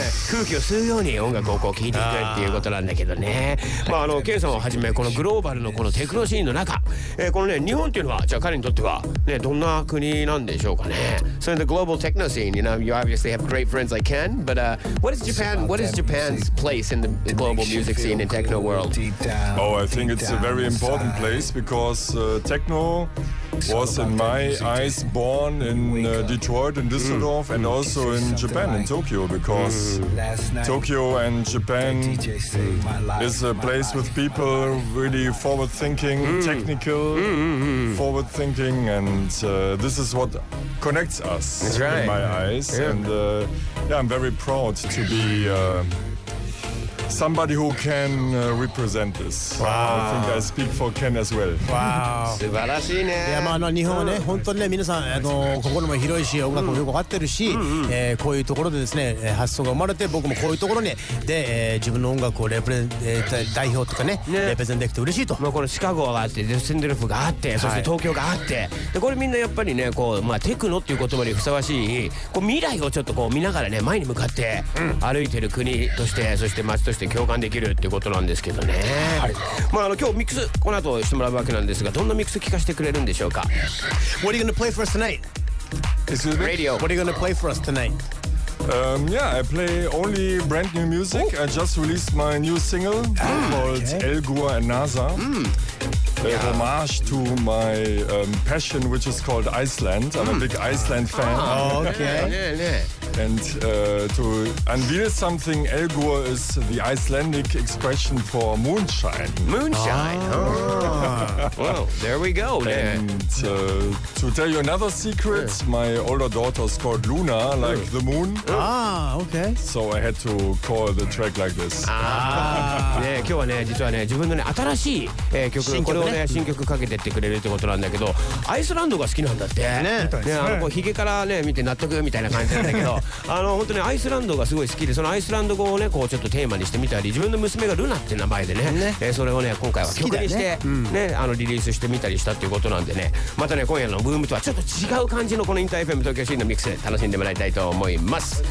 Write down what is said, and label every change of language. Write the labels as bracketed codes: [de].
[ja] 空気を吸うように音楽をこう聴いていくっていうことなんだけどね。まあ、あの、ケンさんをはじめ、このグローバルのこのテクノシーンの中、このね、日本っていうのは、じゃあ彼にとっては、ね、どんな国なんでしょうかね。 [en] So in the global techno scene, you know, you obviously have great friends like Ken, but what is Japan's place in the global music scene and techno world? Oh, I think it's a very important place because techno was in my eyes born in Detroit and Düsseldorf and also in Japan, in Tokyo, because Tokyo and Japan is a place with people really forward-thinking, technical, forward-thinking, and this is what connects us in my eyes. And yeah, I'm very proud to be somebody who can represent this. Wow. I think I speak for Ken as well. [ja] Wow. 素晴らしいね。いや、まあ、あの、日本はね、本当にね、皆さん、あの、心も広いし、音楽もよく分かってるし、こういうところでですね、発想が生まれて、僕もこういうところに、で、自分の音楽をレプレ、代表とかね、レプレゼンできて嬉しいと。まあ、このシカゴがあって、デュッセンドルフがあって、そして東京があって、で、これみんなやっぱりね、こう、まあ、テクノっていう言葉にふさわしい、こう未来をちょっとこう見ながらね、前に向かって歩いてる国として、そして街として、共感できるってことなんですけどね。はい。まあ、あの、今日ミックスこの後してもらうわけなんですが、どんなミックス聞かせてくれるんでしょうか。 [en] What are you gonna play for us tonight? Excuse me? Radio. What are you gonna play for us tonight? Yeah, I play only brand new music. I just released my new single called El Gua and Nasa. Homage to my passion, which is called Iceland. I'm a big Iceland fan. Oh, okay. And to unveil something, El Gua is the Icelandic expression for moonshine. Moonshine. Oh. Well, there we go. And to tell you another secret, my older daughter is called Luna, like the moon. Ah, okay. So I had to call the track like this. [ja] Ah, ね、今日はね、実はね、自分のね、新しい、曲、ね、これをね、新曲かけてってくれるってことなんだけど、アイスランドが好きなんだって。ね、ね、あの、こうひげからね、見て納得みたいな感じなんだけど、あの、本当にアイスランドがすごい好きで、そのアイスランド語をね、こうちょっとテーマにしてみたり、自分の娘がルナって名前で ね、それをね、今回は曲にして、ね、あのリリースしてみたりしたっていうことなんでね、またね、今夜のブームとはちょっと違う感じのこのインターFM東京シーンのミックス、楽しんでもらいたいと思います。